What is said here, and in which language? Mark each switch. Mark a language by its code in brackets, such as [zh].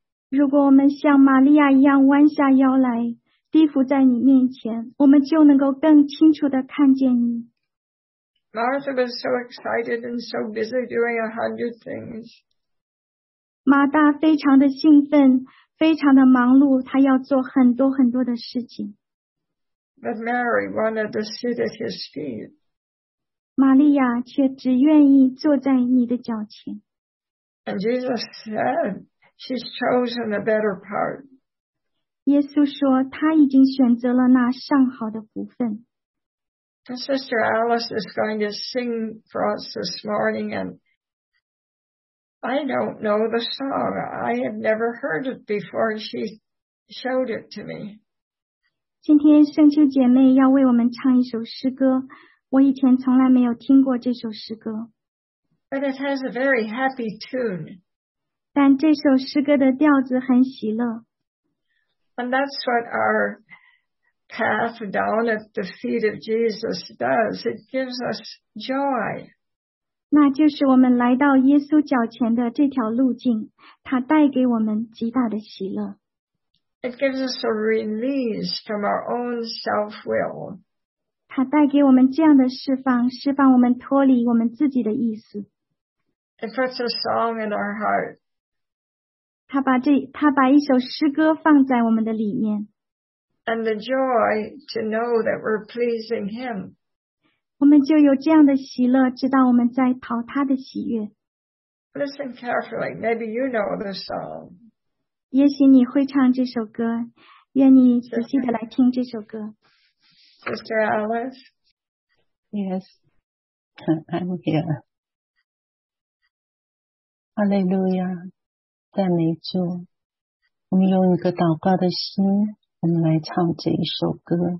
[zh] 如果我们像玛利亚一样弯下腰来低伏在你面前，我们就能够更清楚地看见你。 [en] Martha was so excited and so busy doing 100 things. [zh] 马大非常的兴奋，非常的忙碌，她要做很多很多的事情。 [en] But Mary wanted to sit at his feet. [zh] 玛利亚却只愿意坐在你的脚前。 [en] And Jesus said, she's chosen the better part. [zh] 耶稣说他已经选择了那上好的部分。 [en] Sister Alice is going to sing for us this morning, and I don't know the song. I have never heard it before. She showed it to me. [zh] 今天圣秋姐妹要为我们唱一首诗歌，我以前从来没有听过这首诗歌。 [en] But it has a very happy tune. [zh] 但这首诗歌的调子很喜乐。 [en] And that's what our path down at the feet of Jesus does. It gives us joy. [zh] 那就是我们来到耶稣脚前的这条路径，它带给我们极大的喜乐。 [en] It gives us a release from our own self-will. [zh] 它带给我们这样的释放，释放我们脱离我们自己的意思。 [en] It puts a song in our heart. [zh] 他把一首诗歌放在我们的里面。 [en] And the joy to know that we're pleasing him. [zh] 我们就有这样的喜乐，知道我们在讨他的喜悦。 [en] Listen carefully, maybe you know the song. [zh] 也许你会唱这首歌，愿你仔细的来听这首歌。 [en] Sister Alice? Yes, I'm here. Hallelujah. [zh] 赞美主，我们用一个祷告的心，我们来唱这一首歌。